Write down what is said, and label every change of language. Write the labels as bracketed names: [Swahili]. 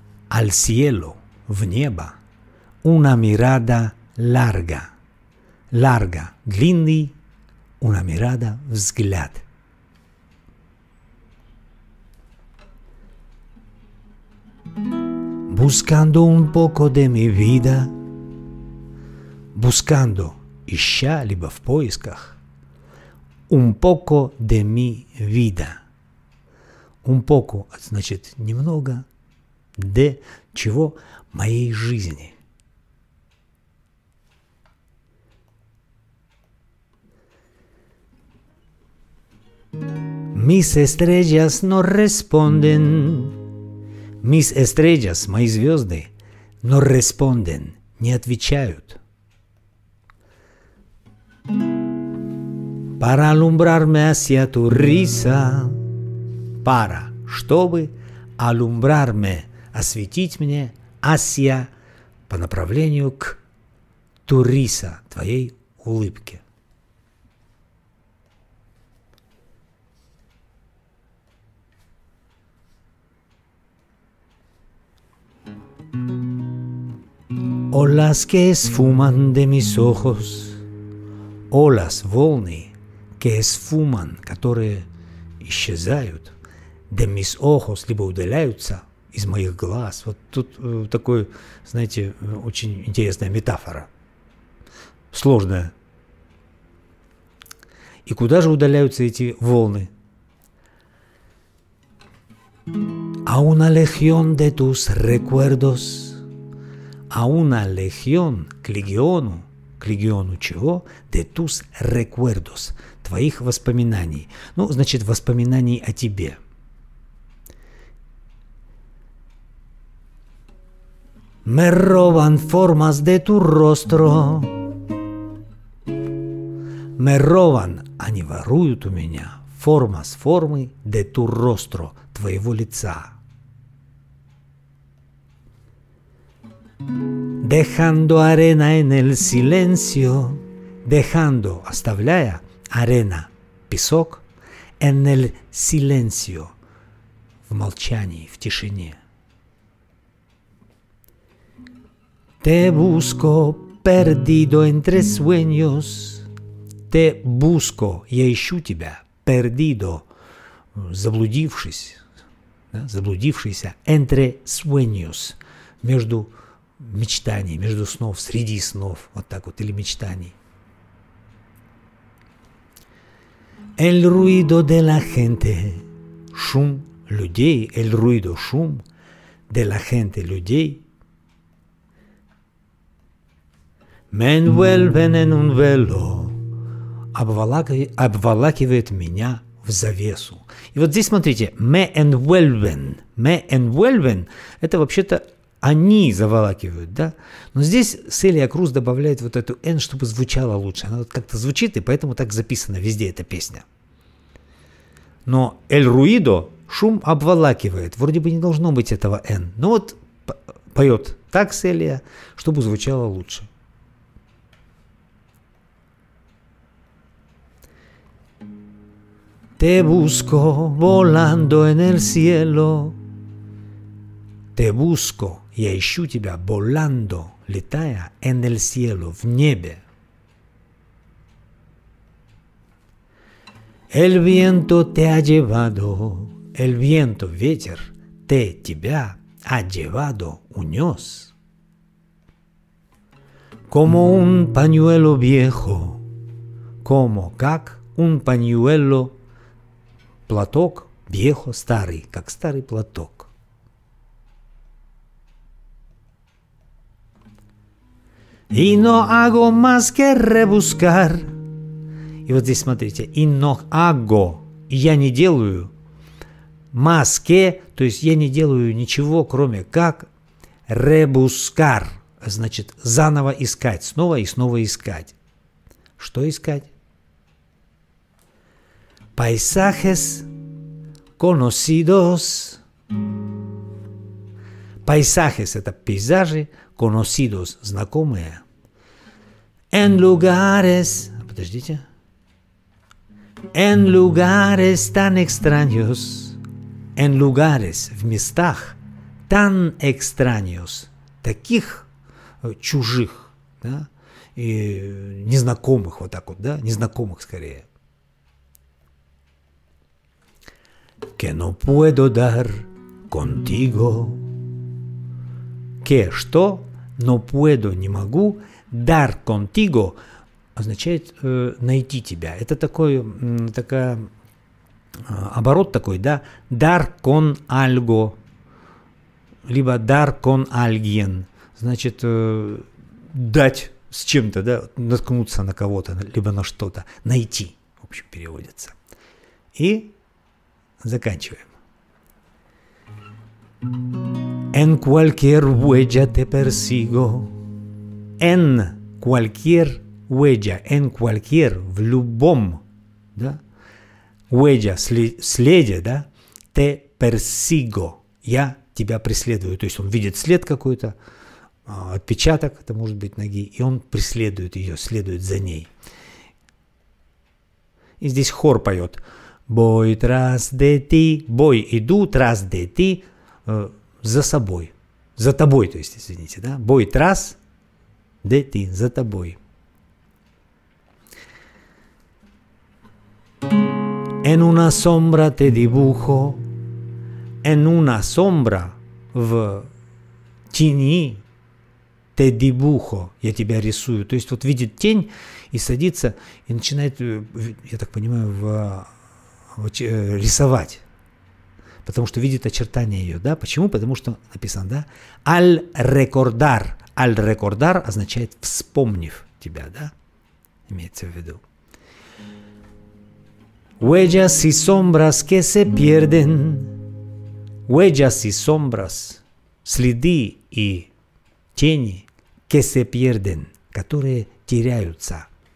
[Spanish] Al cielo, [Russian] в небо, [Spanish] una mirada larga. Larga, [Russian] длинный, [Spanish] una mirada, [Russian] взгляд. [Spanish] Buscando un poco de mi vida. Buscando, [Russian] ища, либо в поисках. [Spanish] Un poco de mi vida. Un poco, [Russian] значит, немного. [Spanish] De [Russian] чего? Моей жизни. [Spanish] Mis estrellas no responden. Mis estrellas, [Russian] мои звезды, [Spanish] no responden, [Russian] не отвечают. [Spanish] Para alumbrarme hacia tu risa. Para, [Russian] чтобы [Spanish] alumbrarme, [Russian] осветить мне, [Spanish] hacia, [Russian] по направлению к [Spanish] tu risa, [Russian] твоей улыбке. [Spanish] Olas que esfuman de mis ojos. Olas, [Russian] волны, [Spanish] que esfuman, [Russian] которые исчезают, [Spanish] de mis ojos, [Russian] либо удаляются из моих глаз. Вот тут такой, знаете, очень интересная метафора. Сложная. И куда же удаляются эти волны? [Spanish] A una legión de tus recuerdos. A una legión, [Russian] к легиону. К легиону чего? [Spanish] De tus recuerdos. [Russian] Твоих воспоминаний. Ну, значит, воспоминаний о тебе. [Spanish] Me roban formas de tu rostro. Me roban, [Russian] они воруют у меня, [Spanish] formas, [Russian] формы, [Spanish] de tu rostro, [Russian] твоего лица. [Spanish] Dejando arena en el silencio. Dejando, [Russian] оставляя, [Spanish] arena, [Russian] песок, [Spanish] en el silencio, [Russian] в молчании, в тишине. [Spanish] Te busco perdido entre sueños. Te busco, [Russian] я ищу тебя, [Spanish] perdido, [Russian] заблудившись, да, заблудившийся, [Spanish] entre sueños, [Russian] между мечтаний, между снов, среди снов, вот так вот, или мечтаний. [Spanish] El ruido de la gente, [Russian] шум людей, [Spanish] el ruido, [Russian] шум, [Spanish] de la gente, [Russian] людей, [Spanish] me envuelven en un velo, [Russian] обволакивает меня в завесу. И вот здесь смотрите, [Spanish] me envuelven, me envuelven, [Russian] это вообще-то они заволакивают, да? Но здесь Селия Круз добавляет вот эту N, чтобы звучало лучше. Она вот как-то звучит, и поэтому так записана везде эта песня. Но [Spanish] El Ruido, [Russian] шум обволакивает. Вроде бы не должно быть этого N. Но вот поет так Селия, чтобы звучало лучше. [Spanish] Te busco volando en el cielo. Te busco. [Russian] Я ищу тебя, [Spanish] volando, [Russian] летая, [Spanish] en el cielo, [Russian] в небе. [Spanish] El viento te ha llevado. El viento, [Russian] ветер, [Spanish] te, [Russian] тебя, [Spanish] ha llevado, [Russian] унес. [Spanish] Como un pañuelo viejo. Como, [Russian] как, [Spanish] un pañuelo, [Russian] платок, [Spanish] viejo, [Russian] старый, как старый платок. [Spanish] И no hago más que rebuscar. [Russian] И вот здесь смотрите, и [Spanish] no hago, [Russian] я не делаю, [Spanish] más que, [Russian] то есть я не делаю ничего, кроме как [Spanish] rebuscar, [Russian] значит заново искать, снова и снова искать. Что искать? [Spanish] Paisajes conocidos. Paisajes [Russian] это пейзажи, [Spanish] conocidos [Russian] знакомые. [Spanish] En lugares, [Russian] подождите. [Spanish] En lugares tan extraños. En lugares, [Russian] в местах, [Spanish] tan extraños, [Russian] таких чужих, да, и незнакомых, вот так вот, да, незнакомых скорее. [Spanish] Que no puedo dar contigo. Que, [Russian] что? [Spanish] No puedo, [Russian] не могу. [Spanish] Dar contigo [Russian] означает найти тебя. Это такой, такая, оборот такой, да? [Spanish] Dar con algo, [Russian] либо [Spanish] dar con alguien, [Russian] значит, дать с чем-то, да? Наткнуться на кого-то, либо на что-то. Найти, в общем, переводится. И заканчиваем. [Spanish] En cualquier huella te persigo. En cualquier huella, en cualquier, [Russian] в любом, да, [Spanish] huella, [Russian] следе, да, [Spanish] te persigo, [Russian] я тебя преследую, то есть он видит след какой-то, отпечаток, это может быть ноги, и он преследует ее, следует за ней. И здесь хор поет, [Spanish] boy tras de ti, boy, [Russian] иду [Spanish] tras de ti, [Russian] за собой, за тобой, то есть, извините, да, [Spanish] boy tras, de ti, [Russian] за тобой. [Spanish] En una sombra te dibujo. En una sombra, [Russian] в тени, [Spanish] Te dibujo, [Russian] я тебя рисую. То есть вот видит тень и садится, и начинает, я так понимаю, рисовать. Потому что видит очертания ее, да? Почему? Потому что написано, да? [Spanish] Al recordar. Al recordar [Russian] означает вспомнив тебя, да? Имеется в виду. [Spanish] Huellas y sombras que se pierden. Huellas y sombras. [Russian] Следы и тени. [Spanish] Que se pierden. [Russian] Которые теряются.